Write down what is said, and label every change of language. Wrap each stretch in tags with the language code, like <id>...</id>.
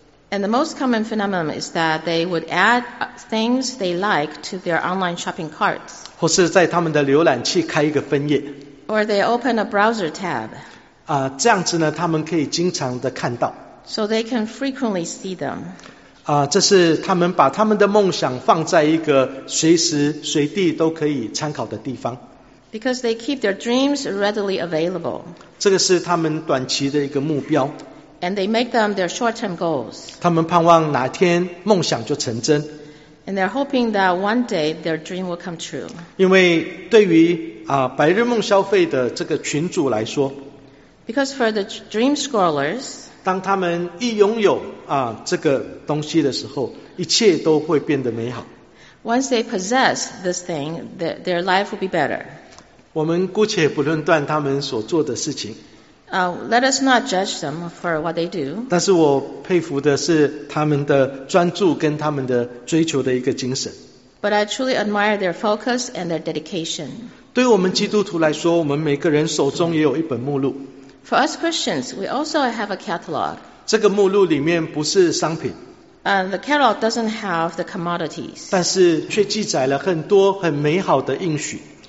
<en>And the most common phenomenon is that they would add things they like to their online shopping carts.</en> <zh>或是在他们的浏览器开一个分页。</zh> <en>Or they open a browser tab.</en> <zh>这样子呢，他们可以经常的看到。</zh> <en>So they can frequently see them.</en> <zh>这是他们把他们的梦想放在一个随时随地都可以参考的地方。</zh> <en>Because they keep their dreams readily available.</en> <zh>这个是他们短期的一个目标。</zh> <en>And they make them their short-term goals.</en> <zh>他们盼望哪天梦想就成真。</zh> <en>And they're hoping that one day their dream will come true.</en> <zh>因为对于白日梦消费的这个群组来说。</zh> <en>Because for the dream scrollers.</en> <zh>当他们一拥有这个东西的时候，一切都会变得美好。</zh> <en>Once they possess this thing, their life will be better.</en> <zh>我们姑且不论断他们所做的事情。</zh> <en>Let us not judge them for what they do.</en> <zh>但是我佩服的是他们的专注跟他们的追求的一个精神。</zh> <en>But I truly admire their focus and their dedication.</en> <zh>对我们基督徒来说，我们每个人手中也有一本目录。</zh> <en>For us Christians, we also have a catalog.</en> <zh>这个目录里面不是商品。</zh> <en>The catalog doesn't have the commodities.</en> <zh>但是却记载了很多很美好的应许。</zh>